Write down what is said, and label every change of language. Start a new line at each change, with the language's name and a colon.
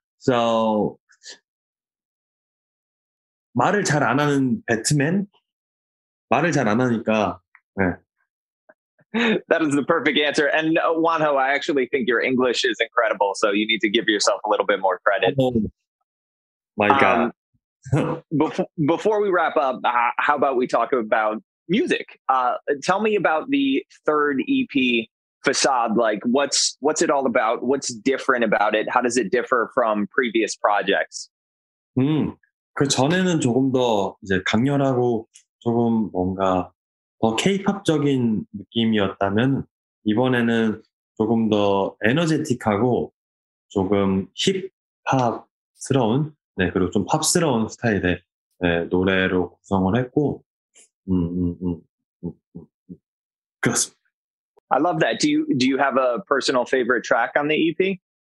Korean: So, 말을 잘 안 하는 배트맨? 말을 잘 안 하니까. 네.
English: That is the perfect answer. And Wanho, I actually think your English is incredible. So you need to give yourself a little bit more credit. Oh my God. Before we wrap up, how about we talk about music? Tell me about the third EP, Facade. Like, what's it all about? What's different about it? How does it differ from previous projects?
Korean: 그 전에는 조금 더 이제 강렬하고 조금 뭔가 더 K-pop적인 느낌이었다면 이번에는 조금 더 에너제틱하고 조금 힙합스러운 네 그리고 좀 팝스러운 스타일의 네, 노래로 구성을 했고 그렇습니다.
English: I love that. Do you have a personal favorite track on the EP?